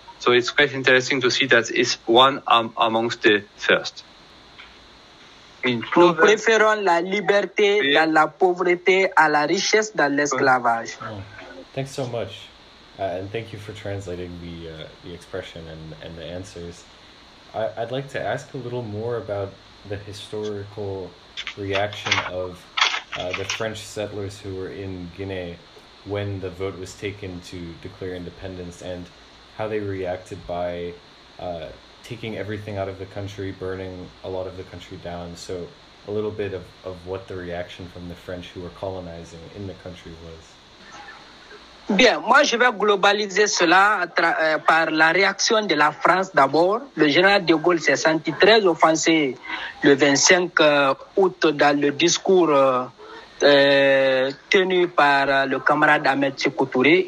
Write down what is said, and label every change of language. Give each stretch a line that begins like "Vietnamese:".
English: So it's quite interesting to see that it's one amongst the first.
French: Nous préférons la liberté dans la pauvreté à la richesse dans l'esclavage.
English: Thanks so much. And thank you for translating the expression and the answers. I'd like to ask a little more about the historical reaction of the French settlers who were in Guinea when the vote was taken to declare independence, and how they reacted by taking everything out of the country, burning a lot of the country down. So a little bit of what the reaction from the French who were colonizing in the country was.
French: Bien, moi je vais globaliser cela par la réaction de la France d'abord. Le général de Gaulle s'est senti très offensé le 25 août dans le discours tenu par le camarade Ahmed Sékou Touré.